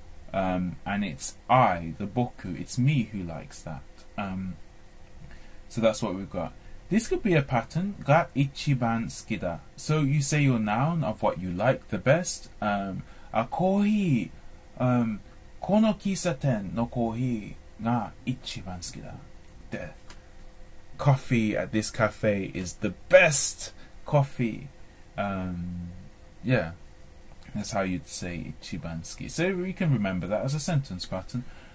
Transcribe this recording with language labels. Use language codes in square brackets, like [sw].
[en] And it's I, the boku, it's me who likes that. So that's what we've got. This could be a pattern. [ja] が一番好きだ。 [en] So you say your noun of what you like the best. [ja] あ、コーヒー。この喫茶店のコーヒーが一番好きだ。 [en] で、coffee at this cafe is the best coffee. Yeah, that's how you'd say ichibansuki. So we can remember that as a sentence pattern.